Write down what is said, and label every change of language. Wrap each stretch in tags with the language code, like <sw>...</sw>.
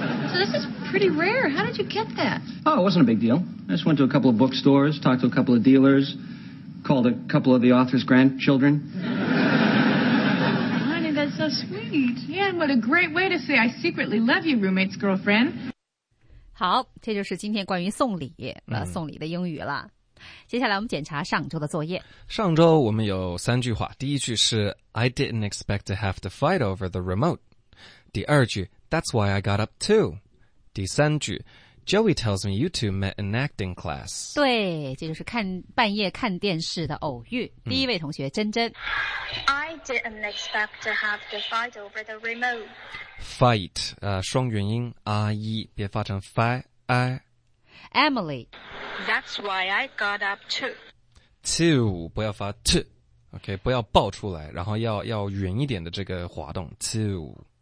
<en>So this is pretty rare. How did you get that? Oh, it wasn't a big deal. I just went to a couple of bookstores, talked to a couple of dealers. Called a couple of the author's grandchildren. Honey, that's so sweet. Yeah, and what a great way to say I secretly love you, roommate's girlfriend.</en> <zh>好，这就是今天关于送礼、送礼的英语了。接下来我们检查上周的作业。上周我们有三句话。第一句是</zh> <en>I didn't expect to have to fight over the remote.</en> <zh>第二句</zh> <en>That's why I got up too.</en> <zh>第三句</zh> <en>Joey tells me you two met in acting class.</en> <zh>对，这就是看半夜看电视的偶遇。第一位同学，珍珍。</zh> <en>I didn't expect to have to fight over the remote.</en> <zh>Fight, 双元音 R-E, 别发成 F-I-I.</zh> <en>Emily. That's why I got up too.</en> <zh>Too, 不要发 T, OK, 不要爆出来，然后要圆一点的这个滑动 too.</zh>